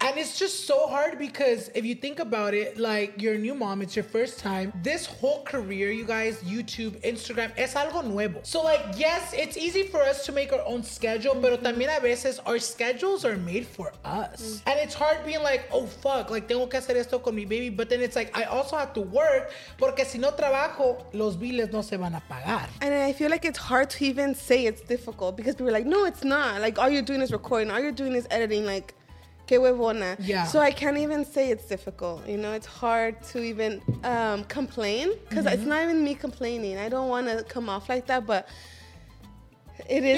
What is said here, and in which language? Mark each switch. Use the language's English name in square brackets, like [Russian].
[English] And it's just so hard because if you think about it, you're a new mom, it's your first time. This whole career, you guys, YouTube, Instagram, [Spanish] es algo nuevo. [English] So yes, it's easy for us to make our own schedule, mm-hmm. [Spanish] pero también a veces [English] our schedules are made for us. Mm-hmm. And it's hard being oh fuck, [Spanish] tengo que hacer esto con mi [English] baby. But then it's I also have to work. [Spanish] Porque si no trabajo, los biles no se van a pagar. [English] And I feel it's hard to even say it's difficult because people are no, it's not. All you're doing is recording. All you're doing is editing. [Spanish] Qué huevona. [English] Yeah. So I can't even say it's difficult. It's hard to even complain because mm-hmm. it's not even me complaining. I don't want to come off like that, but it is.